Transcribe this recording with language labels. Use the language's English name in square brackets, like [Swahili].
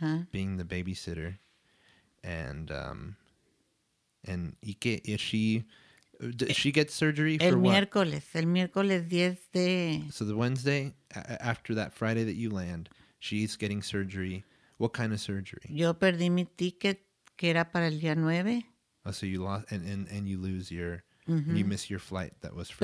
[English] Being the babysitter and Does she get surgery for [Spanish] el [English] what? [Spanish] Miércoles, el miércoles 10 de... [English] So the Wednesday, after that Friday that you land, she's getting surgery. What kind of surgery? [Spanish] Yo perdí mi ticket, que era para el día 9. [English] Oh, so you lost, and you lose your, you miss your flight that was for